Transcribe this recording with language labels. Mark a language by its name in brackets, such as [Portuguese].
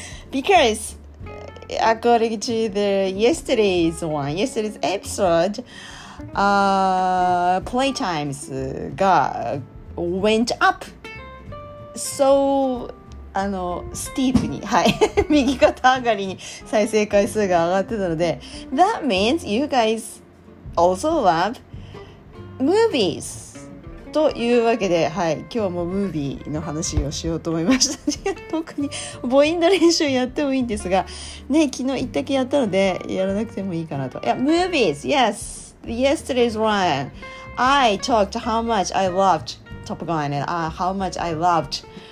[English] Because according to yesterday's episode, playtimes went up so steeply. [Japanese] はい。右肩上がりに再生回数が上がってたので。 [English] That means you guys also love movies. [Japanese] というわけで、はい。今日もムービーの話をしようと思いました。特に母音の練習やってもいいんですが、ね、昨日一択やったので、やらなくてもいいかなと。いや、movies! [English] Yes! Yesterday's one. I talked how much I loved Top Gun and how much I loved...